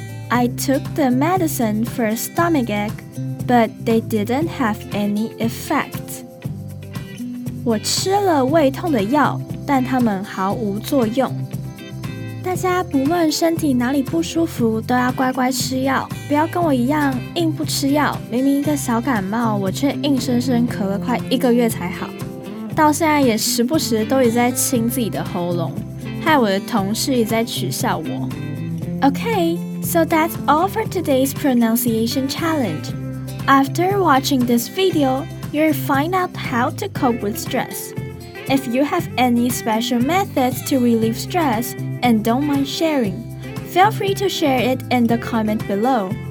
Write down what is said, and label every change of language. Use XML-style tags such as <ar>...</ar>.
<en>I took the medicine for a stomachache, but they didn't have any effect.</en> <zh>我吃了胃痛的药，但它们毫无作用。大家不论身体哪里不舒服，都要乖乖吃药，不要跟我一样硬不吃药。明明一个小感冒，我却硬生生咳了快一个月才好，到现在也时不时都一直在清自己的喉咙，害我的同事也在取笑我。</zh> <en>Okay, so that's all for today's pronunciation challenge. After watching this video, you'll find out how to cope with stress. If you have any special methods to relieve stress and don't mind sharing, feel free to share it in the comment below.</en>